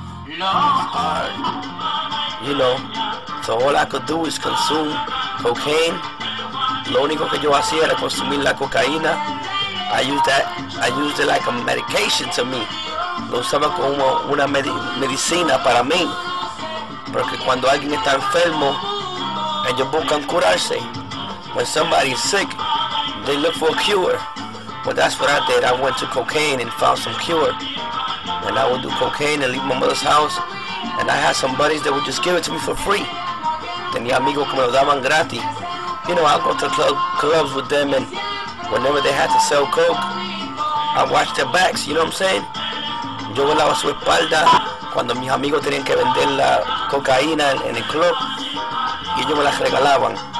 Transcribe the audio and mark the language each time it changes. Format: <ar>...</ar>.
<en>You know, so all I could do is consume cocaine.</en> <es>Lo único que yo hacía era consumir la cocaína.</es> <en>I used it like a medication to me.</en> <es>Lo usaba como una medicina para mí. Porque cuando alguien está enfermo, ellos buscan curarse.</es> <en>When somebody is sick, they look for a cure. Well, that's what I did. I went to cocaine and found some cure. And I would do cocaine and leave my mother's house. And I had some buddies that would just give it to me for free.</en> <es>Tenía amigos que me lo daban gratis.</es> <en>You know, I'd go to clubs with them, and whenever they had to sell coke, I watched their backs, you know what I'm saying?</en> <es>Yo volaba su espalda cuando mis amigos tenían que vender la cocaína en el club, y ellos me las regalaban.</es>